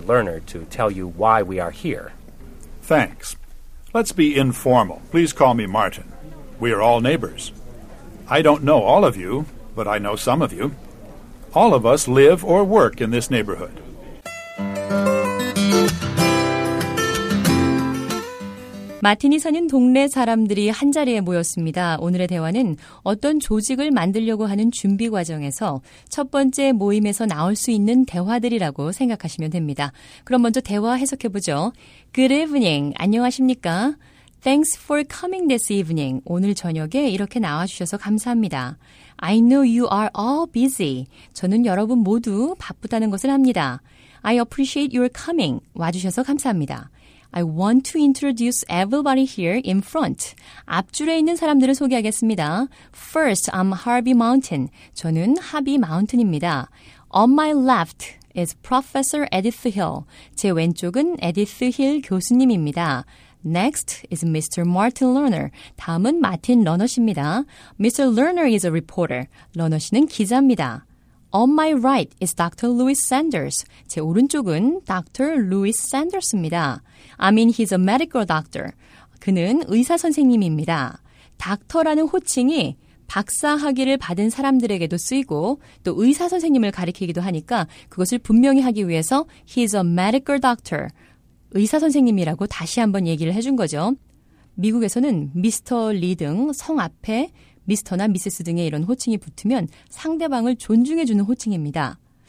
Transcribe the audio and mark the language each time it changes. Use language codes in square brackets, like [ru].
[en] Lerner to tell you why we are here. Thanks. Let's be informal. Please call me Martin. We are all neighbors. I don't know all of you, but I know some of you. All of us live or work in this neighborhood. [ko] 마틴이 사는 동네 사람들이 한자리에 모였습니다. 오늘의 대화는 어떤 조직을 만들려고 하는 준비 과정에서 첫 번째 모임에서 나올 수 있는 대화들이라고 생각하시면 됩니다. 그럼 먼저 대화 해석해보죠. [en] Good evening. [ko] 안녕하십니까? [en] Thanks for coming this evening. [ko] 오늘 저녁에 이렇게 나와주셔서 감사합니다. [en] I know you are all busy. [ko] 저는 여러분 모두 바쁘다는 것을 압니다. [en] I appreciate your coming. [ko] 와주셔서 감사합니다. [en] I want to introduce everybody here in front. [ko] 앞줄에 있는 사람들을 소개하겠습니다. [en] First, I'm Harvey Mountain. [ko] 저는 하비 마운튼입니다. [en] On my left is Professor Edith Hill. [ko] 제 왼쪽은 에디스 힐 교수님입니다. [en] Next is Mr. Martin Lerner. [ko] 다음은 마틴 러너 씨입니다. [en] Mr. Lerner is a reporter. [ko] 러너 씨는 기자입니다. [en] On my right is Dr. Louis Sanders. [ko] 제 오른쪽은 [en] Dr. Louis Sanders입니다. I mean, he's a medical doctor. [ko] 그는 의사 선생님입니다. 닥터라는 호칭이 박사 학위를 받은 사람들에게도 쓰이고 또 의사 선생님을 가리키기도 하니까 그것을 분명히 하기 위해서 [en] he's a medical doctor. [ko] 의사 선생님이라고 다시 한번 얘기를 해준 거죠. 미국에서는 미스터 리 등 성 앞에 미스터나 미세스 등의 이런 호칭이 붙으면 상대방을 존중해주는 호칭입니다.